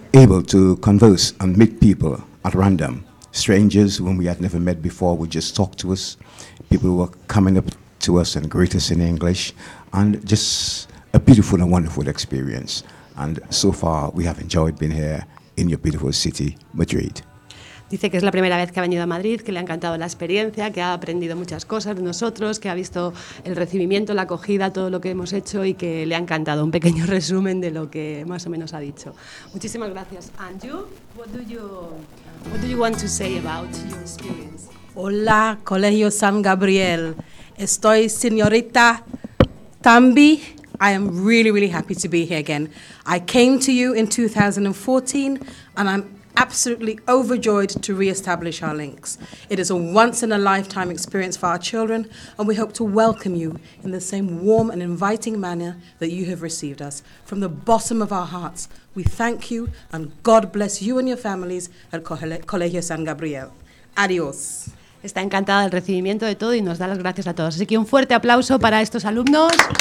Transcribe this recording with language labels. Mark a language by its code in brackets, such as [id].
[en] able to converse and meet people at random. Strangers whom we had never met before would just talk to us. People were coming up to us and greet us in English. And just a beautiful and wonderful experience. And so far, we have enjoyed being here in your beautiful city, Madrid. [es] Dice que es la primera vez que ha venido a Madrid, que le ha encantado la experiencia, que ha aprendido muchas cosas de nosotros, que ha visto el recibimiento, la acogida, todo lo que hemos hecho y que le ha encantado. Un pequeño resumen de lo que más o menos ha dicho. Muchísimas gracias. [en] And you, what do you want to say about your experience? [es] Hola, Colegio San Gabriel. Estoy señorita Tambi. [en] I am really, really happy to be here again. I came to you in 2014 and I'm absolutely overjoyed to re-establish our links. It is a once-in-a-lifetime experience for our children, and we hope to welcome you in the same warm and inviting manner that you have received us. From the bottom of our hearts, we thank you, and God bless you and your families at Colegio San Gabriel. [es] Adios. Está encantada del recibimiento de todo y nos da las gracias a todos. Así que un fuerte aplauso para estos alumnos.